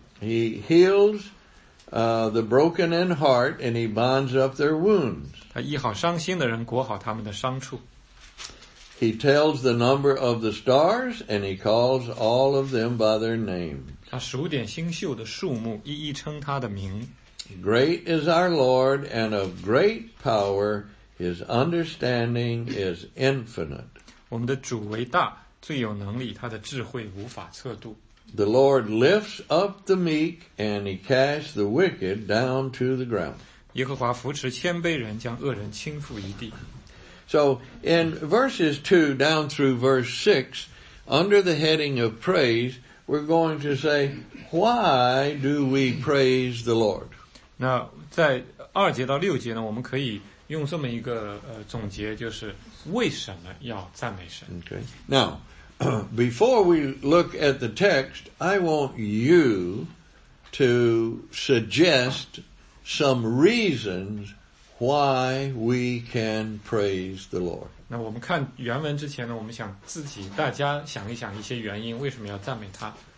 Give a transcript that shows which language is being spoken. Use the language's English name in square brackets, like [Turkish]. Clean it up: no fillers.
[English] He heals the broken in heart and he binds up their wounds. [Chinese] 他医好伤心的人，裹好他们的伤处。 [English] He tells the number of the stars and he calls all of them by their name. [Chinese] 他数点星宿的数目，一一称他的名。 [English] Great is our Lord and of great power, his understanding is infinite. [Chinese] 我们的主为大。最有能力，他的智慧无法测度。 [English] The Lord lifts up the meek and he casts the wicked down to the ground. [Chinese] 耶和华扶持谦卑人，将恶人倾覆于地。 [English] So in verses 2 down through verse 6, under the heading of praise, we're going to say, why do we praise the Lord? [Chinese] 那在二节到六节呢，我们可以用这么一个总结，就是为什么要赞美神。 [English] Okay. Now, before we look at the text, I want you to suggest some reasons why we can praise the Lord. [Chinese] 那我们看原文之前呢，我们想自己大家想一想一些原因，为什么要赞美他。